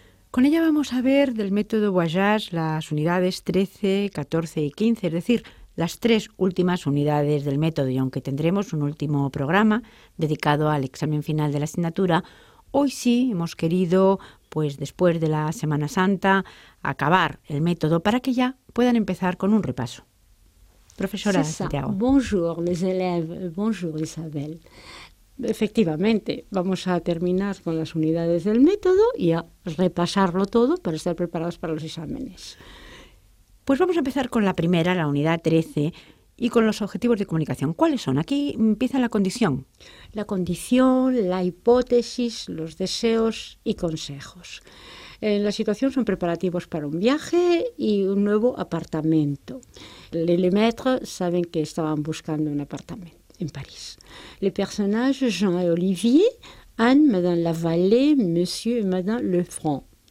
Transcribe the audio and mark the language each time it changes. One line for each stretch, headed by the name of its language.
Spanish: Con ella vamos a ver del método Voyage las unidades 13, 14 y 15, es decir, las tres últimas unidades del método. Y aunque tendremos un último programa dedicado al examen final de la asignatura, hoy sí hemos querido, pues después de la Semana Santa, acabar el método para que ya puedan empezar con un repaso. Profesora Santiago.
French: Bonjour les élèves, bonjour Isabel.
Spanish: Efectivamente, vamos a terminar con las unidades del método y a repasarlo todo para estar preparados para los exámenes. Pues vamos a empezar con la primera, la unidad 13, y con los objetivos de comunicación. ¿Cuáles son? Aquí empieza la condición. La condición, la hipótesis, los deseos y consejos. En la situación son preparativos para un viaje y un nuevo apartamento.
French: Les maîtres
Spanish: saben que estaban buscando un apartamento en París.
French: Les personnages Jean et Olivier, Anne, Madame Lavallée, Monsieur et Madame Lefranc.